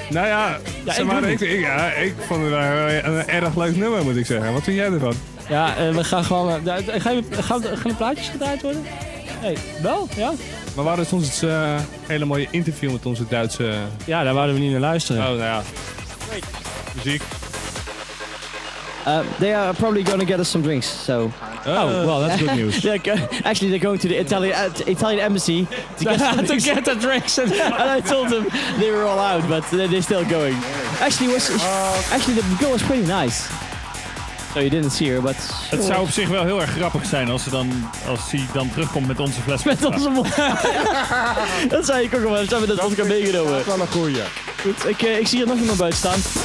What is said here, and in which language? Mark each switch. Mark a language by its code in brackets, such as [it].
[nl] Nou ja, ik vond het een erg leuk nummer, moet ik zeggen. Wat vind jij ervan? Ja, we gaan gewoon. Gaan de plaatjes gedraaid worden? Nee, wel, ja. Maar waren het ons een hele mooie interview met onze Duitse. Ja, daar wouden we niet naar luisteren. Oh, nou ja. Muziek. [en] They are probably going to get us some drinks, so... Oh, well, that's good news. actually, they're going to the Italian embassy to get the drinks. And I told them they were all out, but they're still going. Actually, the girl was pretty nice. So you didn't see her, but... [nl] Het zou op zich wel heel erg grappig zijn als hij dan terugkomt met onze fles. Met onze mond. Dat zei ik ook al, zijn we dat vodka meegenomen. Dat is wel een goeie. Goed, ik zie hier nog iemand buiten staan.